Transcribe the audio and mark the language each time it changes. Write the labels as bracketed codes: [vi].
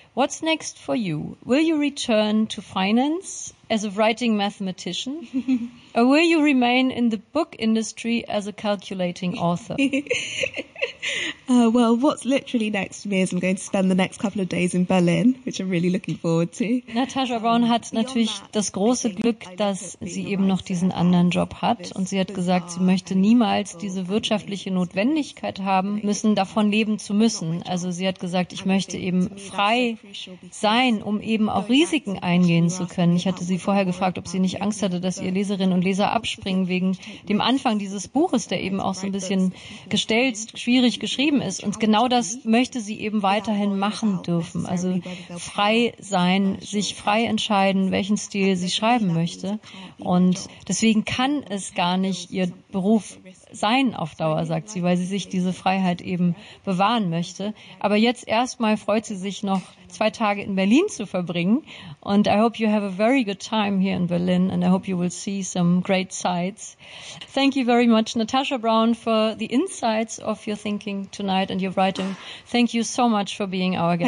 [en] What's next for you? Will you return to finance as a writing mathematician? Or will you remain in the book industry as a calculating author? Well, what's literally next to me is I'm going to spend the next couple of days in Berlin, which I'm really looking forward to. [de] Natasha Brown hat natürlich das große Glück, dass sie eben noch diesen anderen Job hat. Und sie hat gesagt, sie möchte niemals diese wirtschaftliche Notwendigkeit haben müssen, davon leben zu müssen. Also sie hat gesagt, ich möchte eben frei sein, um eben auch Risiken eingehen zu können. Ich hatte sie vorher gefragt, ob sie nicht Angst hatte, dass ihr Leserinnen und Leser abspringen wegen dem Anfang dieses Buches, der eben auch so ein bisschen gestelzt, schwierig geschrieben ist. Und genau das möchte sie eben weiterhin machen dürfen. Also frei sein, sich frei entscheiden, welchen Stil sie schreiben möchte. Und deswegen kann es gar nicht ihr Beruf sein auf Dauer, sagt sie, weil sie sich diese Freiheit eben bewahren möchte. Aber jetzt erstmal freut sie sich noch, 2 Tage in Berlin zu verbringen. [en] Und I hope you have a very good time here in Berlin and I hope you will see some great sights. Thank you very much, Natasha Brown, for the insights of your thinking tonight and your writing. Thank you so much for being our guest.